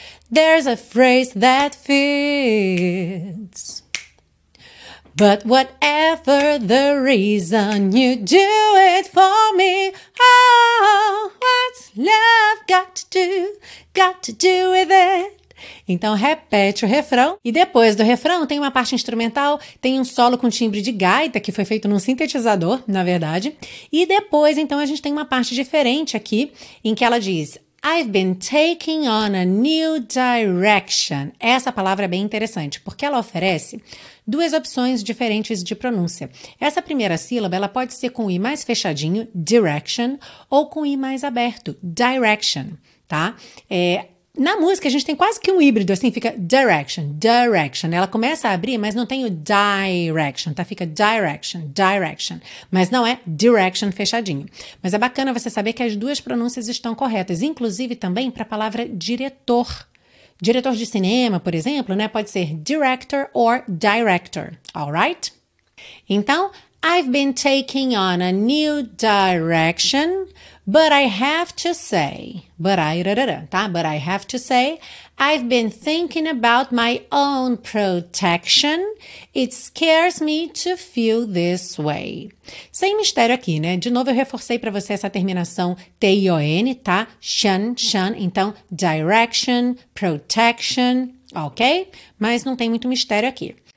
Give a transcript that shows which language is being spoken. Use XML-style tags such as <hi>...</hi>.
<en>There's a phrase that fits. But whatever the reason, you do it for me. Oh, what's love got to do with it?</en> <pt>Então repete o refrão. E depois do refrão tem uma parte instrumental, tem um solo com timbre de gaita, que foi feito num sintetizador, na verdade. E depois, então, a gente tem uma parte diferente aqui, em que ela diz...</pt> <en>I've been taking on a new direction.</en> <pt>Essa palavra é bem interessante, porque ela oferece duas opções diferentes de pronúncia. Essa primeira sílaba, ela pode ser com o I mais fechadinho, direction, ou com o I mais aberto, direction, tá? Na música, a gente tem quase que um híbrido, assim, fica direction, direction. Ela começa a abrir, mas não tem o direction, tá? Fica direction, direction. Mas não é direction fechadinho. Mas é bacana você saber que as duas pronúncias estão corretas. Inclusive, também, para a palavra diretor. Diretor de cinema, por exemplo, né? Pode ser</pt> <en>director or director, alright? Então, I've been taking on a new direction... But I have to say, but I have to say, I've been thinking about my own protection. It scares me to feel this way.</en> <pt>Sem mistério aqui, né? De novo, eu reforcei para você essa terminação T-I-O-N, tá? Shun, shun. Então, direction, protection, ok? Mas não tem muito mistério aqui.</pt>